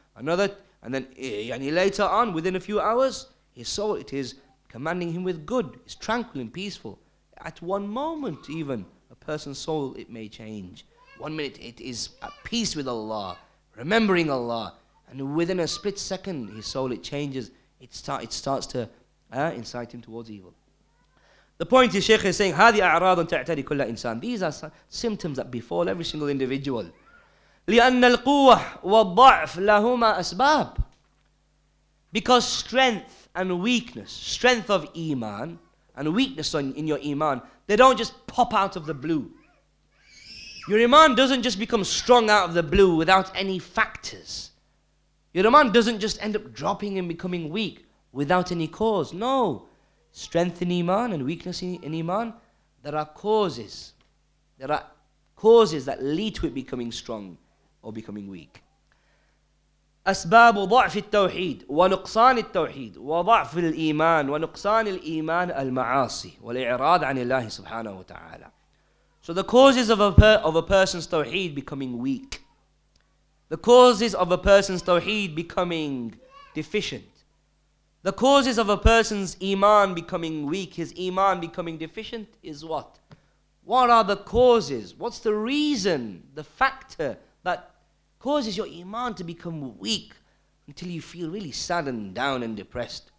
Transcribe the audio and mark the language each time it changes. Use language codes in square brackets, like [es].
[en] Another, and then later on, within a few hours, his soul, it is commanding him with good. It's tranquil and peaceful. At one moment even, a person's soul, it may change. One minute it is at peace with Allah, remembering Allah. And within a split second, his soul, it changes. It starts to incite him towards evil. The point is, Shaykh is saying, [ar] هذه أعراض تعتري كل إنسان. [en] These are symptoms that befall every single individual. [ar] لِأَنَّ الْقُوَّةِ وَالضَّعْفِ لَهُمَا أَسْبَابِ. [en] Because strength and weakness, strength of iman, and weakness in your iman, they don't just pop out of the blue. Your iman doesn't just become strong out of the blue without any factors. Your iman doesn't just end up dropping and becoming weak without any cause. No. Strength in iman and weakness in iman, there are causes. There are causes that lead to it becoming strong or becoming weak. [ar] أسباب ضعف التوحيد ونقصان التوحيد وضعف الإيمان ونقصان الإيمان المعاصي والإعراض عن الله سبحانه وتعالى. [en] So the causes of a person's tawheed becoming weak, the causes of a person's tawheed becoming deficient, the causes of a person's iman becoming weak, his iman becoming deficient, is what? What are the causes? What's the reason, the factor that causes your iman to become weak until you feel really sad and down and depressed?